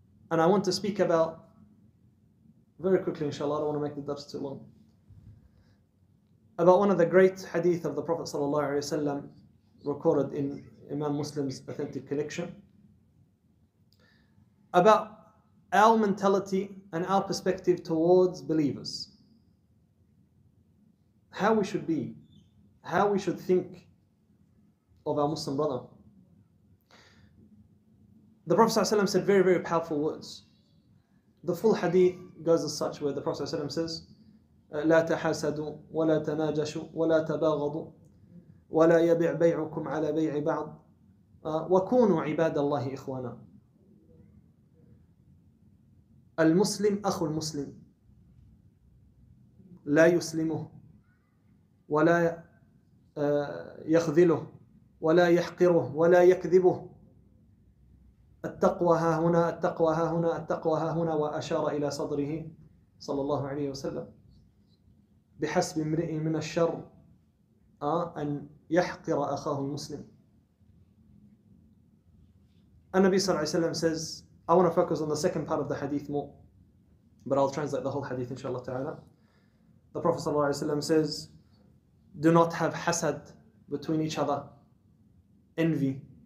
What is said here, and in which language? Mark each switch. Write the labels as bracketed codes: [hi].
[en] And I want to speak about, very quickly inshallah, I don't want to make the dars too long, about one of the great hadith of the Prophet sallallahu alaihi wasallam, recorded in Imam Muslim's authentic collection, about our mentality and our perspective towards believers. How we should be, how we should think of our Muslim brother. The Prophet sallallahu alaihi wasallam said very, very powerful words. The full hadith goes as such, where the Prophet sallallahu alaihi wasallam says, [ar] لا تحاسدوا ولا تناجشوا ولا تباغضوا ولا يبيع بيعكم على بيع بعض وكونوا عباد الله إخوانا. المسلم أخو المسلم لا يسلمه ولا يخذله ولا يحقره ولا يكذبه. التقوى ها هنا التقوى ها هنا التقوى ها هنا وأشار إلى صدره صلى الله عليه وسلم. بحسب امرئ من الشر أن يحقر أخاه المسلم. النبي صلى الله عليه وسلم [en] says, I want to focus on the second part of the hadith more, but I'll translate the whole hadith inshallah ta'ala. The Prophet [ar] صلى الله عليه وسلم [en] says, do not have hasad between each other, envy.